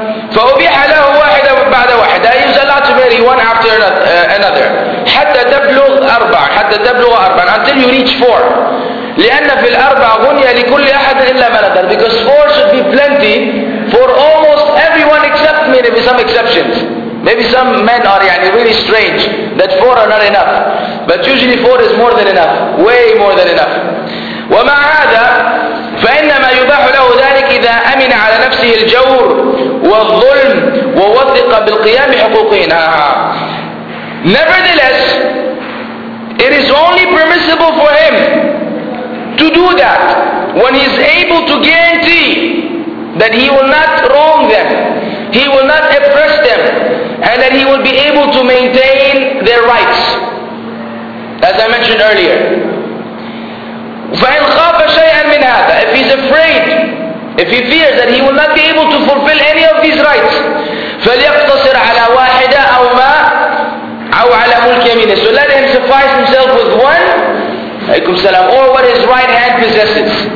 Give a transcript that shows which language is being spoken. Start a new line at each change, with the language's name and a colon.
Arabic: فأبيح له واحدة بعد واحدة.
English: He was allowed to marry one after another.
Arabic: حتى تبلغ أربع. حتى تبلغ أربع.
English: Until you reach four.
Arabic: لأن في الأربع غنية لكل أحد إلا ملكة.
English: Because four should be plenty for almost everyone except maybe some exceptions. Maybe some men are يعني really strange that four are not enough. But usually four is more than enough. Way more than enough.
Arabic: ومع هذا فإنما يباح له ذلك إذا أمن على نفسه الجور والظلم ووثق بالقيام حقوقه.
English: Nevertheless, it is only permissible for him to do that when he is able to guarantee that he will not wrong them, he will not oppress them, and that he will be able to maintain their rights. As I mentioned earlier,
Arabic: فَإِنْ خَافَ شَيْئًا مِنْ هَذَا.
English: If he's afraid, if he fears that he will not be able to fulfill any of these rights,
Arabic: فَلْيَقْتَصِرْ عَلَى وَاحِدَ أَوْ مَا أَوْ عَلَى مُلْكِ يَمِينِهِ.
English: So let him suffice himself with one,
Arabic: عليكم السلام,
English: or what his right hand possesses.